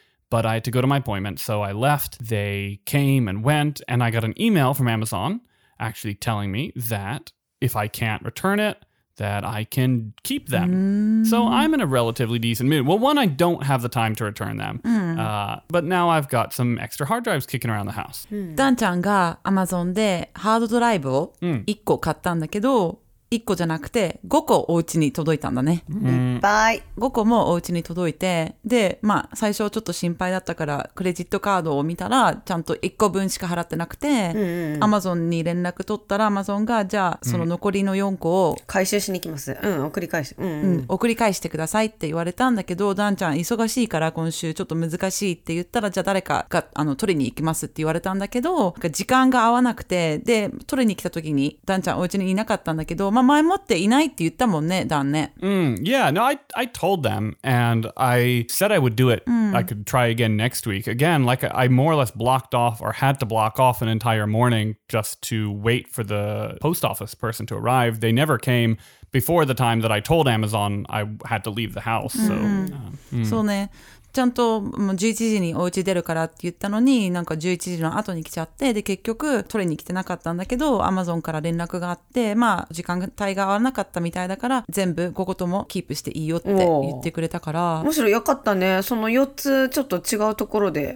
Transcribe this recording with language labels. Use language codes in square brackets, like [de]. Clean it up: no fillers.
[en] But I had to go to my appointment. So I left. They came and went. And I got an email from Amazon actually telling me that if I can't return it, that I can keep them. Mm. So I'm in a relatively decent mood. Well, one, I don't have the time to return them. But now I've got some extra hard drives kicking around the house. [ja] ダンちゃんが Amazon でハードドライブを1個買ったんだけど、1個じゃなくて5個お家に届いたんだね。いっぱい。 5個もお家に届いて、で、まあ最初ちょっと心配だったからクレジットカードを見たらちゃんと1個分しか払ってなくて、Amazon に連絡取ったら Amazon がじゃあその残りの4個を、回収しに行きます。送り返してくださいって言われたんだけど、ダンちゃん忙しいから今週ちょっと難しいって言ったらじゃあ誰かが取りに行きますって言われたんだけど、なんか時間が合わなくて、で取りに来た時にダンちゃんお家にいなかったんだけど。まあ前もっていないって言ったもんね、ダンね。 [en] Yeah, no, I told them, and I said I would do it. I could try again next week. Again, like I more or less blocked off or had to block off an entire morning just to wait for the post office person to arrive. They never came before the time that I told Amazon I had to leave the house. So, [ja] そうね。ちゃんともう11時にお家出るからって言ったのになんか11時の後に来ちゃってで結局取りに来てなかったんだけどアマゾンから連絡があってまあ時間帯が合わなかったみたいだから全部5個ともキープしていいよって言ってくれたからむしろよかったねその4つちょっと違うところで